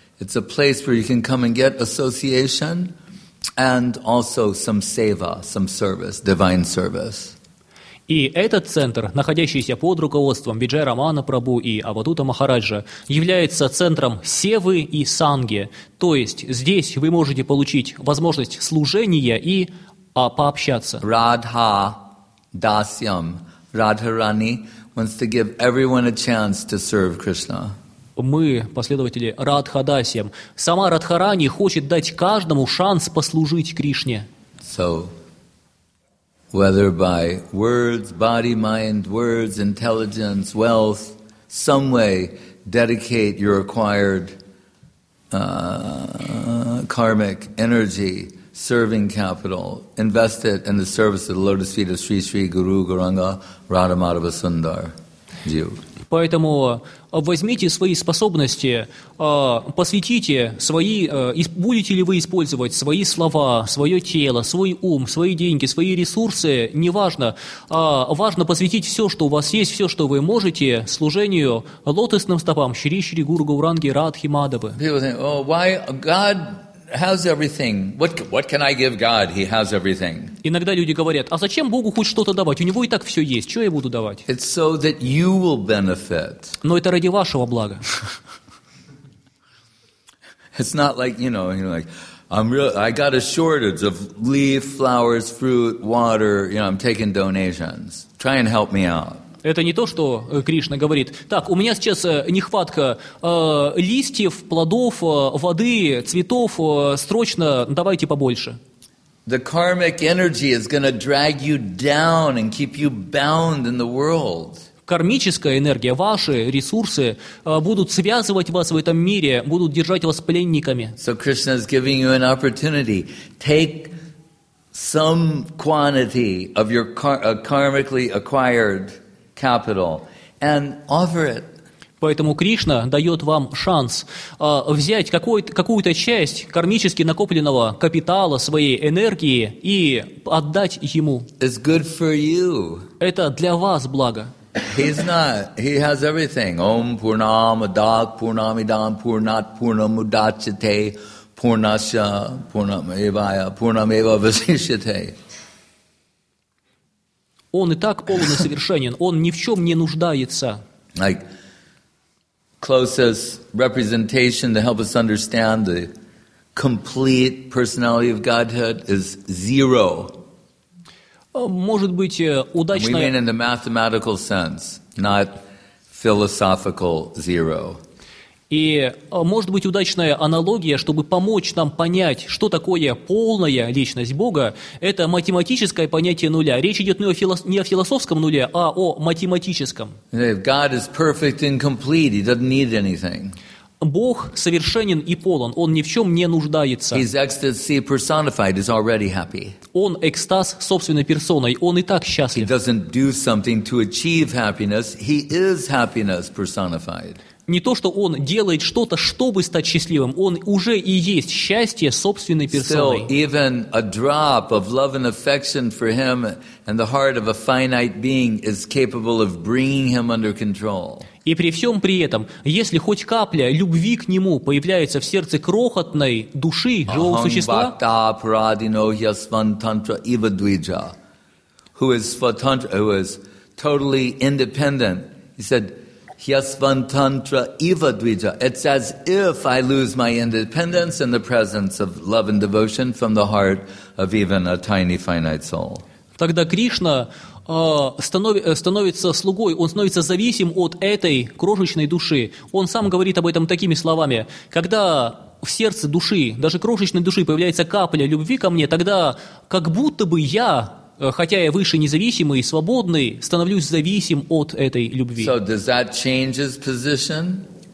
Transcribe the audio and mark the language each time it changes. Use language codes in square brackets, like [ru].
[en] It's a place where you can come and get association and also some seva, some service, divine service. [ru] И этот центр, находящийся под руководством Виджая Рамана Прабу и Авадута Махараджа, является центром севы и санги. То есть здесь вы можете получить возможность служения и пообщаться. [en] Radha Dasyam. Radharani wants to give everyone a chance to serve Krishna. [ru] Мы, последователи Радха Дасьям. Сама Радхарани хочет дать каждому шанс послужить Кришне. [en] So, whether by words, body, mind, words, intelligence, wealth, some way, dedicate your acquired karmic energy, serving capital, invest it in the service of the lotus feet of Sri Sri Guru Gauranga Radha Madhava Sundar. [ru] Поэтому возьмите свои способности, посвятите свои, будете ли вы использовать свои слова, свое тело, свой ум, свои деньги, свои ресурсы, неважно. Важно посвятить все, что у вас есть, все, что вы можете, служению лотосным стопам Шри Шри Гуру Гауранги Радхи Мадхавы. [en] People think, oh, why God has everything? What can I give God? He has everything. [ru] Иногда люди говорят, а зачем Богу хоть что-то давать? У него и так все есть. Что я буду давать? [en] It's so that you will benefit. [ru] Но это ради вашего блага. [en] It's not like, you know, you're like, I got a shortage of leaf, flowers, fruit, water. You know, I'm taking donations. Try and help me out. [ru] Это не то, что Кришна говорит. Так, у меня сейчас нехватка листьев, плодов, воды, цветов. Срочно давайте побольше. [en] The karmic energy is going to drag you down and keep you bound in the world. [ru] Кармическая энергия, ваши ресурсы будут связывать вас в этом мире, будут держать вас пленниками. [en] So Krishna is giving you an opportunity. Take some quantity of your karmically acquired capital and offer it. [ru] Поэтому Кришна дает вам шанс взять какую-то часть кармически накопленного капитала, своей энергии и отдать ему. [en] It's good for you. [ru] Это для вас благо. [en] He's not. He has everything. [sa] Om Purnam Adak Purnam Idam Purnat Purnam Udachate Purnasya Purnam Evaya Purnam Eva Vasishate. [ru] Он и так полон и совершенен. Он ни в чем не нуждается. [en] Like closest representation to help us understand the complete personality of Godhead is zero. [ru] Может быть, удачно. [en] We mean in the mathematical sense, not philosophical zero. [ru] И может быть удачная аналогия, чтобы помочь нам понять, что такое полная личность Бога, это математическое понятие нуля. Речь идет не о философском нуле, а о математическом. [en] If God is perfect and complete, he doesn't need anything. [ru] Бог совершенен и полон, он ни в чем не нуждается. [en] He's ecstasy personified, he's already happy. [ru] Он экстаз собственной персоной, он и так счастлив. [en] He doesn't do something to achieve happiness, he is happiness personified. [ru] Не то, что он делает что-то, чтобы стать счастливым, он уже и есть счастье собственной персоной. [en] So even a drop of love and affection for him and the heart of a finite being is capable of bringing him under control. [ru] И при всем при этом, если хоть капля любви к нему появляется в сердце крохотной души живого существа, [sa] Ахам бхакта парадинохья сватантра ива двиджа, [en] who is свататра, who is totally independent, he said, [sa] Yasvantantra Iva Dvija. [en] It's as if I lose my independence in the presence of love and devotion from the heart of even a tiny finite soul. [ru] Тогда Кришна становится слугой, он становится зависим от этой крошечной души. Он сам говорит об этом такими словами. Когда в сердце души, даже крошечной души, появляется капля любви ко мне, тогда как будто бы я, хотя я выше независимый, свободный, становлюсь зависим от этой любви. [en] So does that change his position?